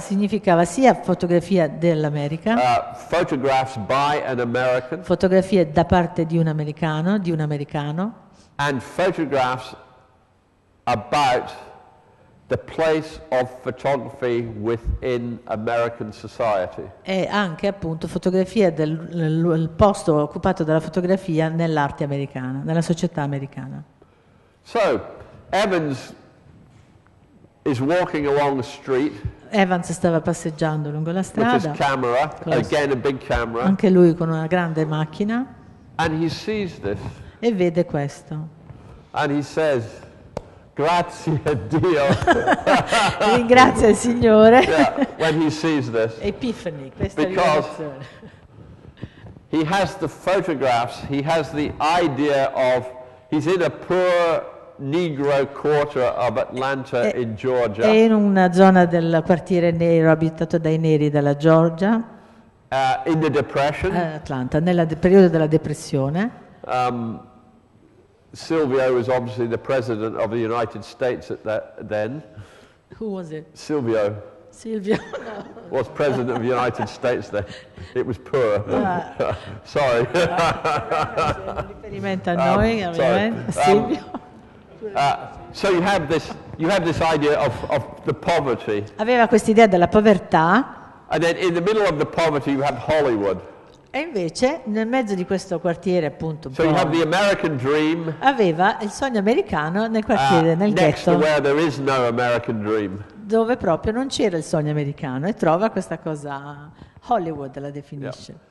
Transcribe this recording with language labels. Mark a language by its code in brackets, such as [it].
[it] Significava sia fotografia dell'America. [en] Photographs by an American. [it] Fotografie da parte di un americano, di un americano. [en] And photographs about the place of photography within American society. [it] E anche appunto fotografia del il posto occupato dalla fotografia nell'arte americana, nella società americana. [en] So, Evans is walking along the street. [it] Evans stava passeggiando lungo la strada. [en] With his camera, again a big camera. [it] Anche lui con una grande macchina. [en] And he sees this. [it] E vede questo. [en] And he says, [it] grazie a Dio. Ringrazia il Signore. [en] Yeah, when he sees this. Epiphany, [it] questa [en] because [it] rivelazione. [en] He has the photographs, he has the idea of, he's in a poor Negro quarter of Atlanta in Georgia. [it] È in una zona del quartiere nero abitato dai neri della Georgia. [en] In the depression. [it] Atlanta, nel periodo della depressione. [en] Silvio was obviously the president of the United States at that then. Who was it? Silvio. Silvio. Was president of the United States then. It was poor. Sorry. [it] Riferimento a noi, ovviamente. Silvio. [en] So you have this idea of the poverty. [it] Aveva questa idea della povertà. [en] And then in the middle of the poverty you have Hollywood. [it] E invece nel mezzo di questo quartiere appunto [en] so you have the American dream, [it] aveva il sogno americano nel quartiere, nel ghetto no dove proprio non c'era il sogno americano e trova questa cosa Hollywood la definisce.